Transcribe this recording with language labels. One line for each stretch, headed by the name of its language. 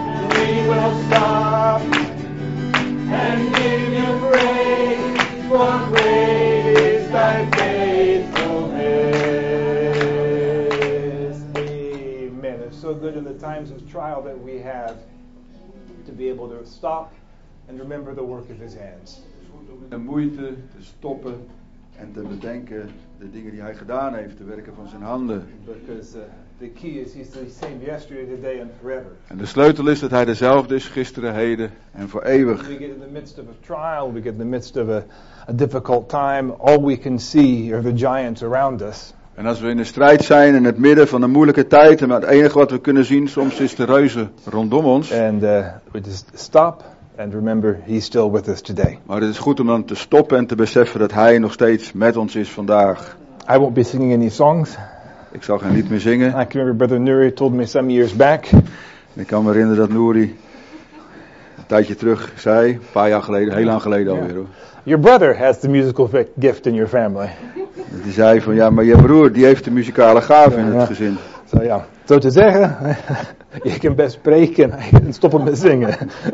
English: We will stop and give you praise, for great is thy faithfulness. Amen. It's so good in the times of trial that we have to be able to stop and remember the work of His hands.
Dutch: De moeite te stoppen en te bedenken de dingen die Hij gedaan heeft, de werken van zijn handen.
English: Because the key is He's the same yesterday, today and forever.
Dutch: En de sleutel is dat Hij dezelfde is gisteren, heden en voor eeuwig.
English: We get in the midst of a trial, we get in the midst of a difficult time. All we can see are the giants around us.
Dutch: En als we in de strijd zijn in het midden van een moeilijke tijd, en het enige wat we kunnen zien soms is de reuzen rondom ons.
English: And we just stop and remember He's still with us today.
Dutch: Maar het is goed om dan te stoppen en te beseffen dat Hij nog steeds met ons is vandaag.
English: I won't be singing any songs.
Dutch: Ik zal geen lied meer zingen.
English: I can remember Brother Nuri told me some years back.
Dutch: Ik kan me herinneren dat Nuri een tijdje terug zei, een paar jaar geleden, heel lang geleden alweer. Hoor.
English: Your brother has the musical gift in your family.
Dutch: Die zei van, ja, maar je broer, die heeft de muzikale gaven in het gezin. Zo ja, zo te zeggen, je kan best spreken en stoppen met zingen.